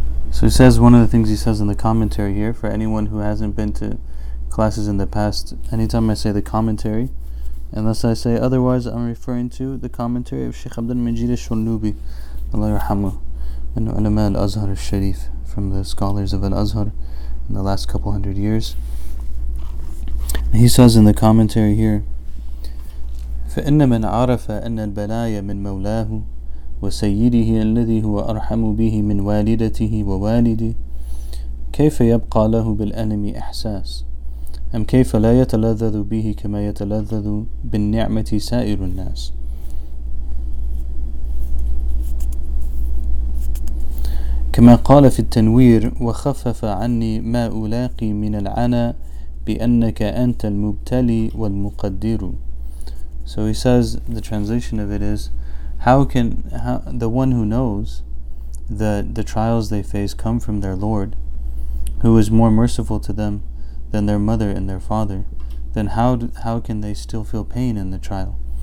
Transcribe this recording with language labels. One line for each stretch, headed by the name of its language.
English: So he says, one of the things he says in the commentary here, for anyone who hasn't been to classes in the past, anytime I say the commentary, unless I say otherwise, I'm referring to the commentary of Sheikh Abdul Majid al-Shunubi, Allah yarhamu, and ulama al-Azhar al-Sharif, from the scholars of Al-Azhar in the last couple hundred years. He says in the commentary here,
Arabic: فَإِنَّ مَنْ عَرَفَ أَنَّ الْبَلَايَ مِنْ مَوْلَاهُ وَسَيِّدِهِ الَّذِي هُوَ أَرْحَمُ بِهِ مِنْ وَالِدَتِهِ وَوَالِدِهِ كَيْفَ يَبْقَى لَهُ بِالْأَلَمِ إِحْسَاسٌ أَمْ كَيْفَ لَا يَتَلَذَّذُ بِهِ كَمَا يَتَلَذَّذُ بِالنِّعْمَةِ سَائِرُ النَّاسِ. كما قال في التنوير وخفف عني ما ألاقي من العناء بأنك أنت المبتلي والمقدر.
English: So he says, the translation of it is, how the one who knows that the trials they face come from their Lord, who is more merciful to them than their mother and their father, then how can they still feel pain in the trial?